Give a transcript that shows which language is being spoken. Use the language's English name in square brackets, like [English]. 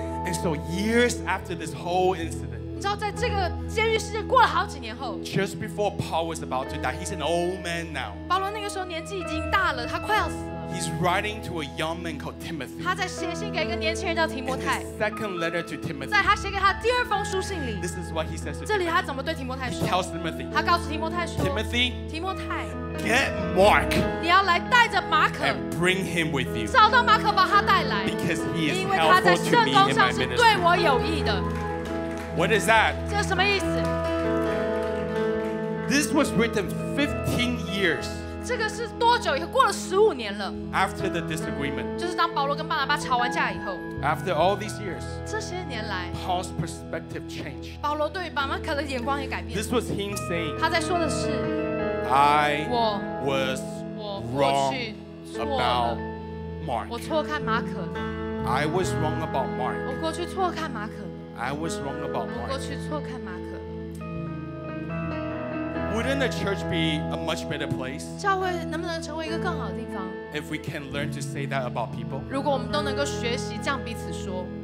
[English] and so years after this whole incident [Chinese] 你知道在这个监狱事件过了好几年后 [English] just before Paul was about to die he's an old man now [Chinese] 保罗那个时候年纪已经大了他快要死了 [English] He's writing to a young man called Timothy. [Chinese] 他在写信给一个年轻人叫提摩太 [English] In his second letter to Timothy. [Chinese] 在他写给他第二封书信里 [English] This is what he says to Timothy. [Chinese] 这里他怎么对提摩太说 [English] He tells Timothy. [Chinese] 他告诉提摩太说 [English] Timothy. [Chinese] 提摩太 [English] Get Mark. [Chinese] 你要来带着马可 [English] And bring him with you. [Chinese] 找到马可把他带来 [English] Because he is helpful to me in my ministry. [Chinese] 因为他在圣工上是对我有益的 [English] What is that? [Chinese] 这什么意思 [English] This was written 15 years. [Chinese] 这个是多久以后？过了十五年了。 [English] After the disagreement， [Chinese] 就是当保罗跟巴拿巴吵完架以后。 [English] After all these years， [Chinese] 这些年来 [English] ，Paul's perspective changed。 [Chinese] 保罗对巴拿巴的眼光也改变。 [English] This was him saying， [Chinese] 他在说的是 [English] ，I was wrong about Mark。 [Chinese] 我错看马可。 [English] I was wrong about Mark。 [Chinese] 我过去错看马可。 [English] I was wrong about Mark。 [Chinese] 我过去错看马可。 [English] Wouldn't the church be a much better place? [Chinese] 教会能不能成为一个更好的地方 [English] If we can learn to say that about people, [Chinese] 如果我们都能够学习这样彼此说